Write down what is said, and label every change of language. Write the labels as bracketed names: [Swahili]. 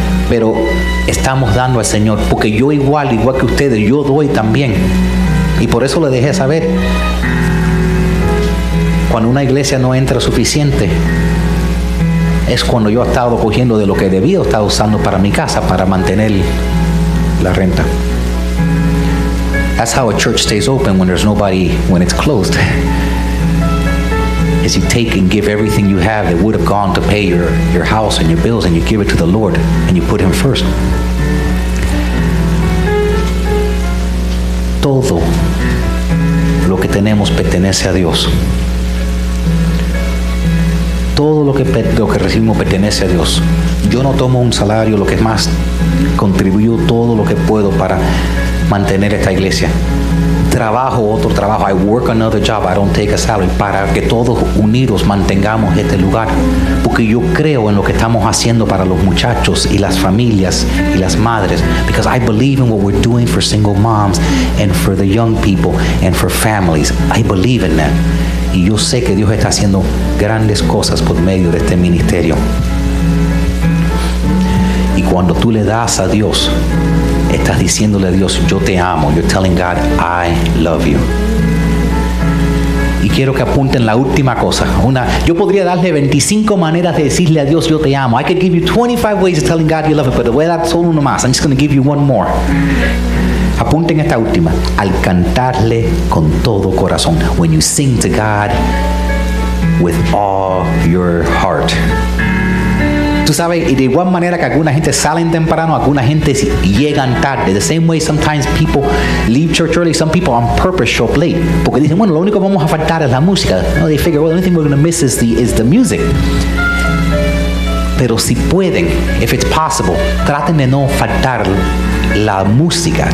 [Spanish] Pero estamos dando al Señor, porque yo igual que ustedes, yo doy también. Y por eso le dejé saber. Cuando una iglesia no entra suficiente, es cuando yo he estado cogiendo de lo que debía o estaba usando para mi casa, para mantener la renta. [English] That's how a church stays open when there's nobody, when it's closed. Is you take and give everything you have that would have gone to pay your house and your bills, and you give it to the Lord and you put him first. [Spanish] Todo lo que tenemos pertenece a Dios. Todo lo que recibimos pertenece a Dios. Yo no tomo un salario, lo que es más, contribuyo todo lo que puedo para mantener esta iglesia. Trabajo otro trabajo. [English] I work another job. I don't take a salary. [Spanish] Para que todos unidos mantengamos este lugar. Porque yo creo en lo que estamos haciendo para los muchachos y las familias y las madres. [English] Because I believe in what we're doing for single moms and for the young people and for families. I believe in that. [Spanish] Y yo sé que Dios está haciendo grandes cosas por medio de este ministerio. Y cuando tú le das a Dios, estás diciéndole a Dios, yo te amo. [English] You're telling God, I love you. [Spanish] Y quiero que apunten la última cosa. Yo podría darle 25 maneras de decirle a Dios, yo te amo. [English] I could give you 25 ways of telling God you love him, [Spanish] pero voy a dar solo uno más. [English] I'm just going to give you one more. [Spanish] Apunten esta última. Al cantarle con todo corazón. [English] When you sing to God with all your heart. [Spanish] Tú sabes, y de igual manera que alguna gente salen temprano, alguna gente llegan tarde. [English] The same way sometimes people leave church early, some people on purpose show up late. [Spanish] Porque dicen, bueno, lo único que vamos a faltar es la música. No, [English] they figure, well, the only thing we're going to miss is the music. [Spanish] pero si pueden, [English] if it's possible, [Spanish] traten de no faltar la música.